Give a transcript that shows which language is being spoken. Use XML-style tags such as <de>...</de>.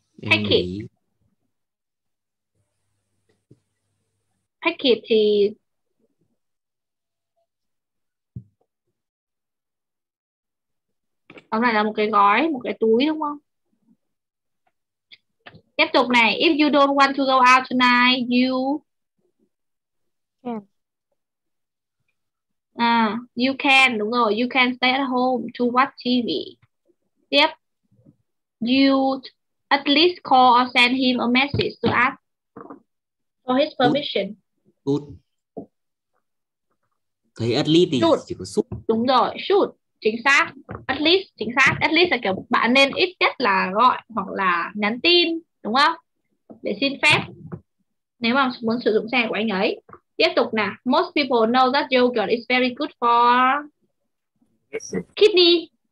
<en>Packet.</en> <vi>Packet thì đóng lại là một cái gói, một cái túi đúng không? Tiếp tục này,</vi> <en>if you don't want to go out tonight, you can. You can,</en> <vi>đúng rồi,</vi> <en>you can stay at home to watch TV.</en> <vi>Tiếp,</vi> <en>you at least call or send him a message to ask for his permission. Shoot.</en> <vi>Thấy at least thì shoot. Chỉ có shoot. Đúng rồi, shoot, chính xác. At least, chính xác. At least là kiểu bạn nên ít nhất là gọi hoặc là nhắn tin, đúng không? Để xin phép nếu mà muốn sử dụng xe của anh ấy. Tiếp tục nè.</vi> <en>Most people know that yogurt is very good for kidney.</en>